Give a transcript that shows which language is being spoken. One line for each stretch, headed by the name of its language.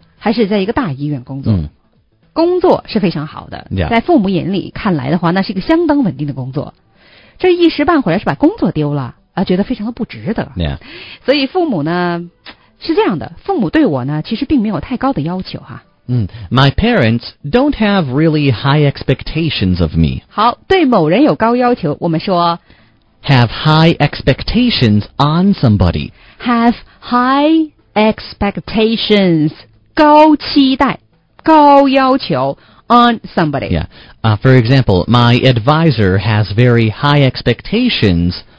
Chinese: 还是在一个大医院工作，嗯，工作是非常好的，
English: yeah.
Chinese: 在父母眼里看来的话，那是一个相当稳定的工作。这一时半会儿是把工作丢了，觉得非常的不值得。
English: Yeah.
Chinese: 所以父母呢？是这样的，父母对我呢，其实并没有太高的要求哈。
English: 嗯 ，My parents don't have really high expectations of me。
Chinese: 好，对某人有高要求，我们说
English: have high expectations on somebody。 Have high expectations，
Chinese: 高期待，高要求
English: on somebody。 Yeah. For example, my advisor has very high expectations